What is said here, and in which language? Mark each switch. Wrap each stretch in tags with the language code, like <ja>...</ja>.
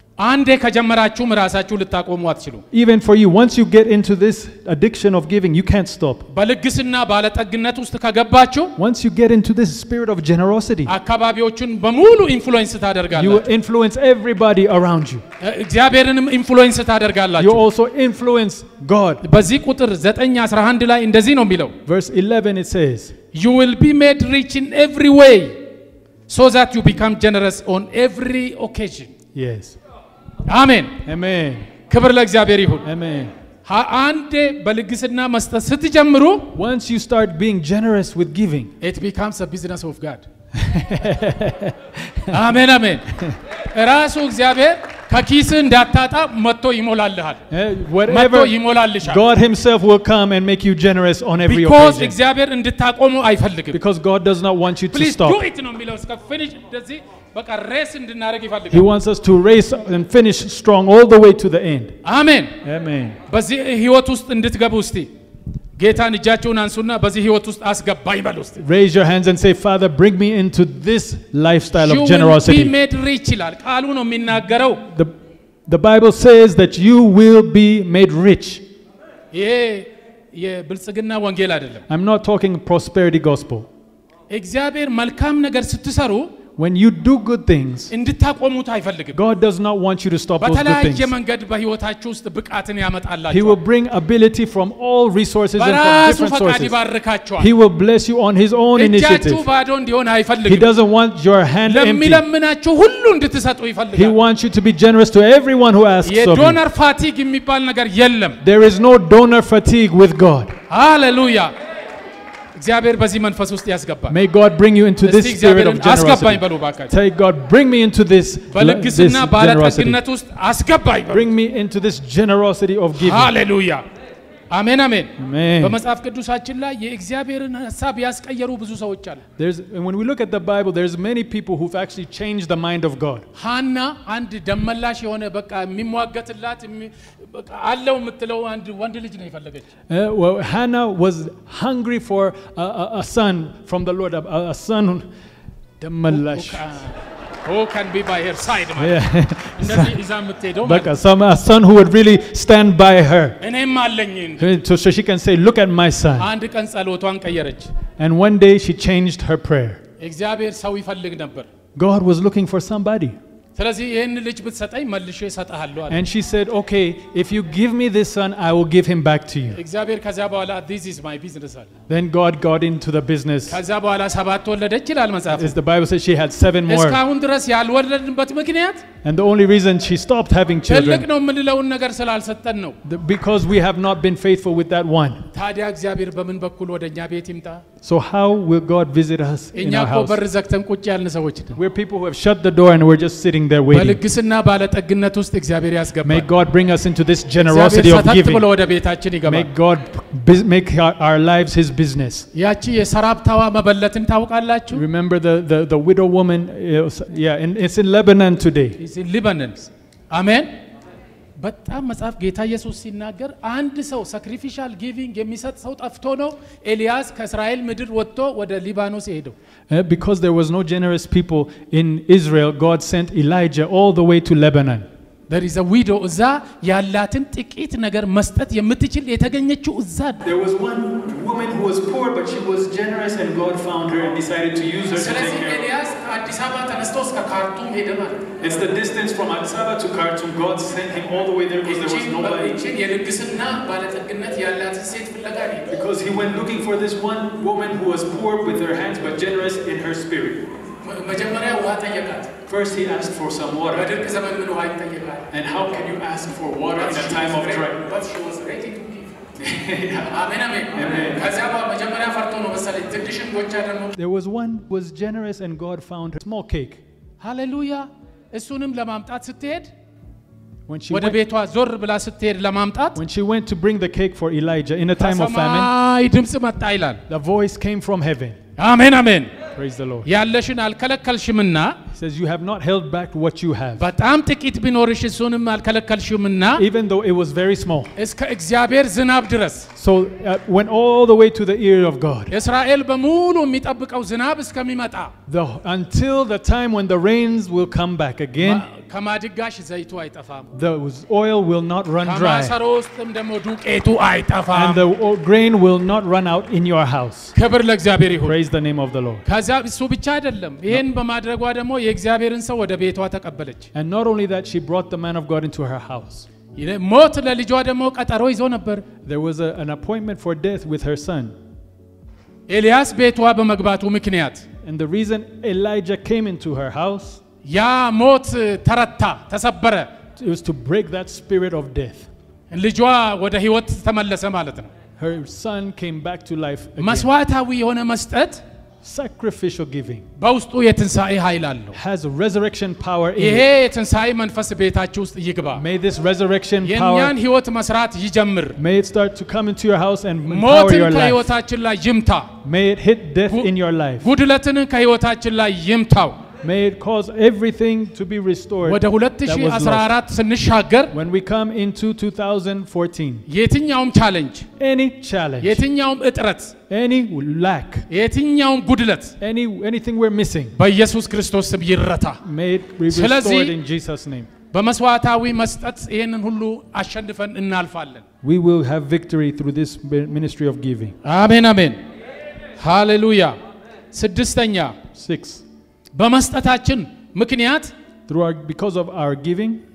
<am>አንዴ ከጀመራችሁ ምራሳችሁ ልታቆሙ አትችሉ</am> <en>even for you once you get into this addiction of giving you can't stop</en> <am>በልግስና ባለጠግነት ውስጥ ከገባችሁ</am> <en>once you get into this spirit of generosity</en> <am>አካባቢዎቹን በሙሉ influence ታደርጋላችሁ</am> <en>you influence everybody around you</en> <am>እግዚአብሔርንም influence ታደርጋላችሁ</am> <en>you also influence god</en> <am>በዚህ ቁጥር 9:11 ላይ እንደዚህ ነው የሚለው</am> <en>verse 11 it says you will be made rich in every way so that you become generous on every occasion yes</en> <am>አሜን አሜን ክብር ለእግዚአብሔር ይሁን አሜን አንዴ በልግስና መስጠት ስትጀምሩ</am> <en>once you start being generous with giving it becomes a business of god</en> <am>አሜን አሜን ራሱ እግዚአብሔር ከኪስ እንዳታጣ መጥቶ ይሞላልሃል</am> <en>whatever</en> <am>መጥቶ ይሞላልሻል</am> <en>god himself will come and make you generous on every because occasion</en> <am>because እግዚአብሔር እንድታቆሙ አይፈልግም</am> <en>because god does not want you please to stop please do it no below ska finish</en> <am>እንደዚህ በቃ race እንድናረግ ይፈልጋል</am> <en>he wants us to race and finish strong all the way to the end amen amen</en> <am>በዚህ ህይወት ውስጥ እንድትገቡ እስቲ ጌታን እጃችሁን አንሱና በዚህ ህይወት ውስጥ አስገባኝ በሉ እስቲ</am> <en>raise your hands and say father bring me into this lifestyle of generosity you will be made rich</en> <am>ይላል ቃሉ ነው የሚናገረው</am> <en>the bible says that you will be made rich</en> <am>ይሄ ብልጽግና ወንጌል አይደለም</am> <en>i'm not talking prosperity gospel</en> <am>እግዚአብሔር መልካም ነገር ስትሰሩ</am> <en>When you do good things</en> <am>እንድታቆሙት አይፈልግም</am> <en>God does not want you to stop those good things</en> <am>በተለያየ መንገድ በህይወታችሁ ውስጥ ብቃትን ያመጣላችሁ</am> <en>He will bring ability from all resources and from different sources</en> <am>ባራሱ ፈቃድ ይባርካችኋል</am> <en>He will bless you on his own initiative</en> <am>እጃችሁ ባዶ እንዲሆን አይፈልግም</am> <en>He doesn't want your hand empty</en> <am>ለሚለምናችሁ ሁሉ እንድትሰጡ ይፈልጋል</am> <en>He wants you to be generous to everyone who asks of you</en> <am>የዶነር ፋቲግ የሚባል ነገር የለም</am> <en>There is no donor fatigue with God</en> <am>Hallelujah እግዚአብሔር በዚህ መንፈስ ውስጥ ያስገባል</am> <en>May God bring you into this spirit of generosity</en> <am>አስገባኝ በሉ ባካችሁ</am> <en>Say God bring me into this</en> <am>በልግስና ባለጠግነት ውስጥ አስገባኝ</am> <en>Bring me into this generosity of giving Hallelujah Amen amen</en> <am>በመጽሐፍ ቅዱሳችን ላይ የእግዚአብሔርን ሐሳብ ያስቀየሩ ብዙ ሰዎች አሉ</am> <en>There's when we look at the Bible there's many people who've actually changed the mind of God</en> <am>ሐና አንድ ደመላሽ የሆነ በቃ የሚሟገትላት አለው የምትለው አንድ ወንድ ልጅ ነው ይፈልገች</am> <en>Well Hannah was hungry for a son from the Lord a son ደመላሽ who can be by her side man</en> <am>እንደዚህ ይዛምጥ ሄዶ</am> <en>በቃ some a son who would really stand by her</en> <am>እኔም አለኝን</am> <en>so she can say look at my son</en> <am>አንድ ቀን ጸሎቷን ቀየረች</am> <en>and one day she changed her prayer</en> <am>እግዚአብሔር ሰው ይፈልግ ነበር</am> <en>God was looking for somebody</en> <am>ስለዚህ ይሄን ልጅ ብትሰጠኝ መልሼ እሰጣለሁ አለ</am> <en>and she said okay if you give me this son I will give him back to you</en> <am>እግዚአብሔር ከዛ በኋላ</am> <en>this is my business</en> <am>አለ</am> <en>then God got into the business</en> <am>ከዛ በኋላ ሰባት ወለደች ይላል መጽሐፉ</am> <en>is the bible says she had 7 more</en> <am>እስካሁን ድረስ ያልወለደንበት ምክንያት</am> <en>and the only reason she stopped having children</en> <am>ለክ ነው የምንለውን ነገር ስላልሰጠን ነው</am> <en>because we have not been faithful with that one</en> <am>ታዲያ እግዚአብሔር በምን በኩል ወደኛ ቤት ይምጣ</am> <en>So how will God visit us in our house?</en> <am>በር ዘግተን ቁጭ ያልን ሰዎች ነን.</am> <en>We're people who have shut the door and we're just sitting there waiting.</en> <am>በልግስና ባለጠግነት ውስጥ እግዚአብሔር ያስገባ.</am> <en>May God bring us into this generosity of giving.</en> <am>ሰጥቶ ወደ ቤታችን ይገባ.</am> <en>May God make our lives his business.</en> <am>ያቺ የሰራብታዋ መበለትን ታውቃላችሁ?</am> <en>Remember the widow woman it's in Lebanon today. It's in Lebanon. Amen.</en> <am>በጣም መጽሐፍ ጌታ ኢየሱስ ሲናገር አንድ ሰው ሳክሪፊሻል ጊቪንግ የሚሰጥ ሰው ጠፍቶ ነው ኤልያስ ከእስራኤል ምድር ወጥቶ ወደ ሊባኖስ ሄደው</am> <en>because there was no generous people in Israel God sent Elijah all the way to Lebanon there is a widow</en> <am>እዛ ያላትን ጥቂት ነገር መስጠት የምትችል የተገኘችው እዛ</am> <en>there was one woman who was poor but she was generous and God found her and decided to use her to take care of</en> <am>ኤልያስ አዲስ አበባ ተነስተው እስከ ካርቱም ሄደ ማለት</am> <en>It's the distance from Addis Ababa to Khartoum. God sent him all the way there because there was nobody.</en> <am>እቺ የልግስና ባለጠግነት ያላት ሴት ፍለጋ ነው።</am> <en>Because he went looking for this one woman who was poor with her hands but generous in her spirit.</en> <am>መጀመሪያ ውሃ ጠየቃት</am> <en>First he asked for some water.</en> <am>ወደ ከሰማይ ምን ውሃ ይጠየቃል?</am> <en>And how can you ask for water in a time of drought? But she was ready to give. Amen, amen.</en> <am>ከዚያ በኋላ መጀመሪያ ፈርቶ ነው መሰለኝ ትንሽን ጎጃ ደግሞ</am> <en>There was one who was generous and God found her small cake.</en> <am>Hallelujah. እሱንም ለማምጣት ስትሄድ</am> <en>When she</en> <am>ወደ ቤቷ ዞር ብላ ስትሄድ ለማምጣት</am> <en>When she went to bring the cake for Elijah in a time of famine.</en> <am>ሰማይ ድምጽ መጣ ይላል.</am> <en>The voice came from heaven. Amen, amen. Praise the Lord.</en> <am>ያለሽን አልከለከልሽምና</am> <en>says you have not held back what you have.</en> <am>በጣም ጥቂት ቢኖርሽ እሱንም አልከለከልሽምና</am> <en>even though it was very small.</en> <am>እስከ እግዚአብሔር ዝናብ ድረስ</am> <en>so went all the way to the ear of God.</en> <am>እስራኤል በሙሉ የሚጠብቀው ዝናብ እስከሚመጣ</am> <en>until the time when the rains will come back again.</en> <am>ከማድጋሽ ዘይቱ አይጠፋም.</am> <en>The oil will not run dry.</en> <am>ከማሰሮስም ደሞ ዱቄቱ አይጠፋም.</am> <en>And the grain will not run out in your house.</en> <am>ክብር ለእግዚአብሔር ይሁን.</am> <en>Praise the name of the Lord.</en> <am>ከዛ እሱ ብቻ አይደለም ይሄን በማድረጓ ደግሞ የእግዚአብሔርን ሰው ወደ ቤቷ ተቀበለች</am> <en>And not only that she brought the man of God into her house.</en> <am>ይሄ ሞት ለልጇ ደግሞ ቀጠሮ ይዞ ነበር</am> <en>There was an appointment for death with her son.</en> <am>ኤልያስ ቤቷ በመግባቱ ምክንያት</am> <en>And the reason Elijah came into her house.</en> <am>ያ ሞት ተረታ ተሰበረ</am> <en>It was to break that spirit of death.</en> <am>ልጇ ወደ ህይወት ተመለሰ ማለት ነው</am> <en>Her son came back to life again.</en> <am>መስዋዕታዊ የሆነ መስጠት</am> <en>sacrificial giving</en> <am>ባውስጡ የትንሳኤ ኃይል አለው</am> <en>has a resurrection power in</en> <am>ይሄ የትንሳኤ መንፈስ ቤታችሁ ውስጥ ይግባ</am> <en>may this resurrection power</en> <am>የእኛን ህይወት መስራት ይጀምር</am> <en>may it start to come into your house and empower your life</en> <am>ሞትን ከህይወታችን ላይ ይምታ</am> <en>may it hit death in your life</en> <am>ጉድለትን ከህይወታችን ላይ ይምታው</am> <en>may it cause everything to be restored</en> <am>ወደ 2014 ስንሻገር</am> <en>when we come into 2014</en> <am>የትኛውም challenge</am> <en>any challenge</en> <am>የትኛውም እጥረት</am> <en>any lack</en> <am>የትኛውም ጉድለት</am> <en>anything we're missing</en> <am>በኢየሱስ ክርስቶስ ስም ይረታ</am> <en>may it be restored in Jesus name</en> <am>በመስዋዕታዊ መስጠት ይሄንን ሁሉ አሸንፈን እናልፋለን</am> <en>we will have victory through this ministry of giving amen amen hallelujah ስድስተኛ 6</en> <am>በመስጠታችን ምክንያት</am> <en>through our because of our giving</en>